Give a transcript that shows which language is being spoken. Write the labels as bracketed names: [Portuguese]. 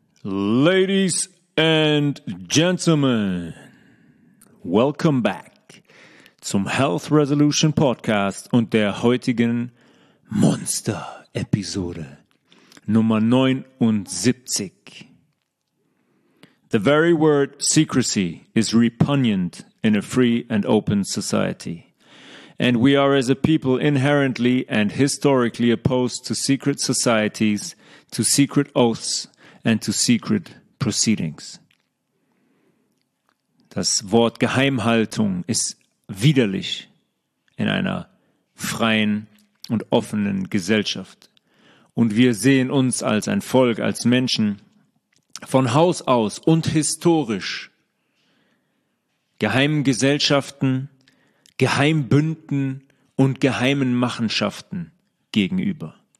[English] Ladies and gentlemen, welcome back [German] zum Health Resolution Podcast und der heutigen Monster-Episode Nummer 79. [English] The very word secrecy is repugnant in a free and open society. And we are as a people inherently and historically opposed to secret societies, to secret oaths, and to secret proceedings. [German] Das Wort Geheimhaltung ist widerlich in einer freien und offenen Gesellschaft. Und wir sehen uns als ein Volk, als Menschen von Haus aus und historisch geheimen Gesellschaften, Geheimbünden und geheimen Machenschaften gegenüber.